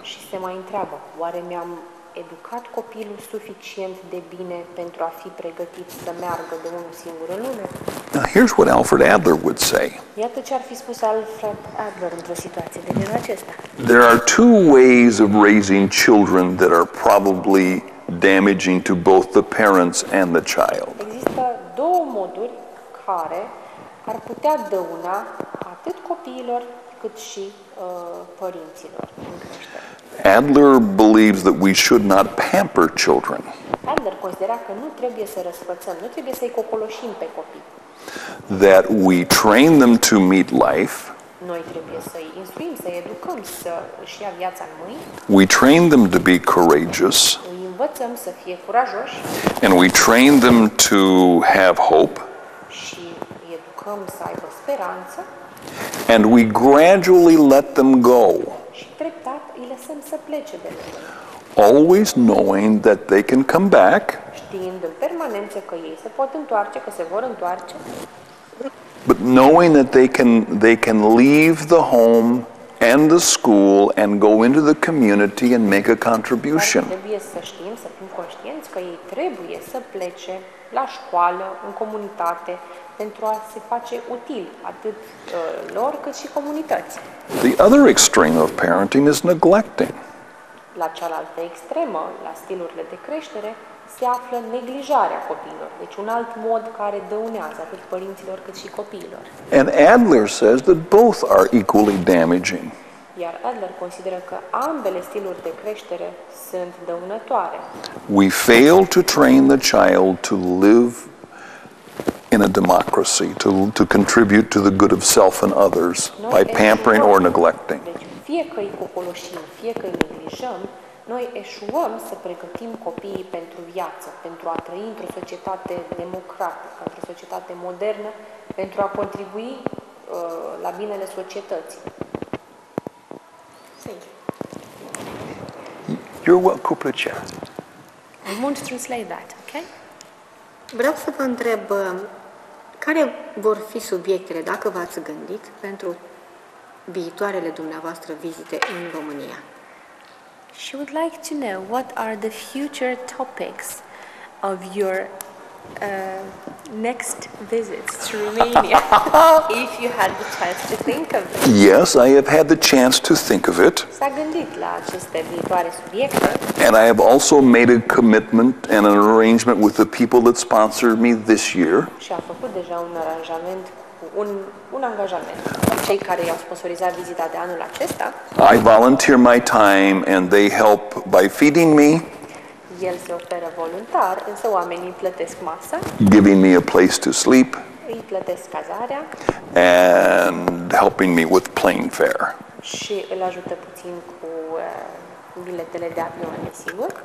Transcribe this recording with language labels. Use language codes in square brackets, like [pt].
[ro] Și se mai întreabă, oare mi-am educat copilul suficient de bine pentru a fi pregătit să meargă de unul singur în lume? [en] Now here's what Alfred Adler would say. [ro] Iată ce ar fi spus Alfred Adler într-o situație de genul acesta. [en] There are two ways of raising children that are probably damaging to both the parents and the child. [ro] Există două moduri care ar putea dăuna atât copiilor cât și părinților. [en] Adler believes that we should not pamper children. [ro] Adler considera că nu trebuie să răsfățăm, nu trebuie să-i cocoloșim pe copii. [en] That we train them to meet life. [ro] Noi trebuie să-i instruim, să-i educăm să-și ia viața în mâini. [en] We train them to be courageous. [ro] Îi învățăm să fie curajoși. [en] And we train them to have hope. [ro] Și îi educăm să aibă speranță. [en] And we gradually let them go. [ro] Și treptat îi lăsăm să plece de lângă. [en] Always knowing that they can come back. [ro] Știind în permanență că ei se pot întoarce, că se vor întoarce. [en] But knowing that they can leave the home and the school and go into the community and make a contribution. [ro] Trebuie să știm, să fim conștienți că ei trebuie să plece la școală, în comunitate, pentru a se face util atât lor cât și comunității. [en] The other extreme of parenting is neglecting. [ro] La cealaltă extremă, la stilurile de creștere, se află neglijarea copiilor. Deci un alt mod care dăunează atât părinților cât și copiilor. [en] And Adler says that both are equally damaging. [ro] Iar Adler consideră că ambele stiluri de creștere sunt dăunătoare. [en] We fail to train the child to live in a democracy, to contribute to the good of self and others by pampering or neglecting. [ro] Fie că îi cocoloșim, fie că îi neglijăm, noi eșuăm să pregătim copiii pentru viață, pentru a trăi într-o societate democratică, într-o societate modernă, pentru a contribui la binele societății. [en] You're welcome to chat. I won't translate that, okay? [ro] Vreau să vă întreb care vor fi subiectele, dacă v-ați gândit, pentru viitoarele dumneavoastră vizite în România. [en] She would like to know what are the future topics of your next visits to Romania, if you had the chance to think of it. Yes, I have had the chance to think of it. [ro] S-a gândit la aceste viitoare subiecte. [en] And I have also made a commitment and an arrangement with the people that sponsored me this year. [ro] Și a făcut deja un aranjament, un angajament cu cei care i-au sponsorizat vizita de anul acesta. [en] I volunteer my time and they help by feeding me. [ro] El se oferă voluntar, însă oamenii plătesc masa. [en] Giving me a place to sleep. [ro] Îi plătesc cazarea. [en] And helping me with plane fare. [ro] Și îl ajută puțin cu biletele de avion, sigur.